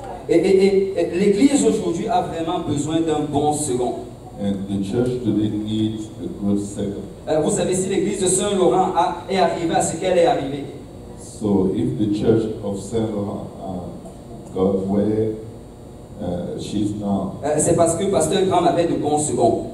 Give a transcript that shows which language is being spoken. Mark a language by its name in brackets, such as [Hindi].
[French] Et l'église aujourd'hui a vraiment besoin d'un bon second. [English] And the church today needs a good second. [French] Vous savez, si l'église de Saint-Laurent est arrivée à ce qu'elle est arrivée. [English] So if the church of Saint-Laurent got where She's now. [French] C'est parce que Pasteur Graham avait de bons seconds.